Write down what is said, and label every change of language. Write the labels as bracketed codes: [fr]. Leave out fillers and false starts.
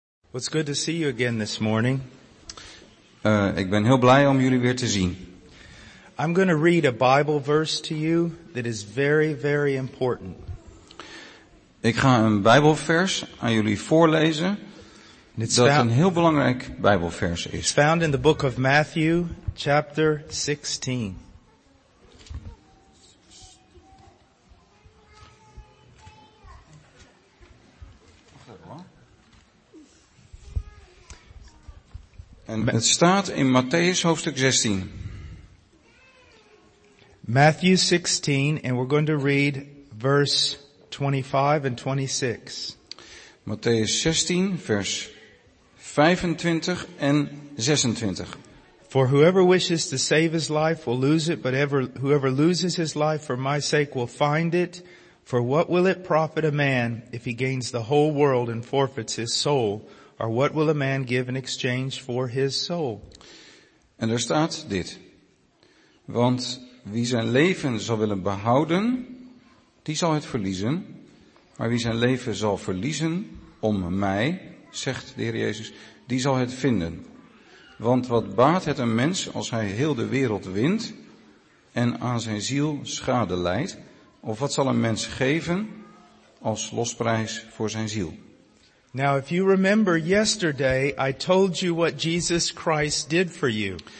[en] Well, it's good to see you again this morning. [nl] Ik ben heel blij om jullie weer te zien. [en] I'm going to read a Bible verse to you that is very, very important. [nl] Ik ga een Bijbelvers aan jullie voorlezen dat een heel belangrijk Bijbelvers is. [en] It's found in the book of Matthew, chapter 16. [nl] En het staat in Matteüs hoofdstuk 16. [en] Matthew 16, and we're going to read verse 25 and 26. [nl] Matteüs 16, vers 25 en 26. [en] For whoever wishes to save his life will lose it, but whoever loses his life for my sake will find it. For what will it profit a man if he gains the whole world and forfeits his soul? Or what will a man give in exchange for his soul? [nl] En er staat dit. Want wie zijn leven zal willen behouden, die zal het verliezen. Maar wie zijn leven zal verliezen om mij, zegt de Heer Jezus, die zal het vinden. Want wat baat het een mens als hij heel de wereld wint en aan zijn ziel schade leidt? Of wat zal een mens geven als losprijs voor zijn ziel? [en] Now, if you remember yesterday, I told you what Jesus Christ did for you.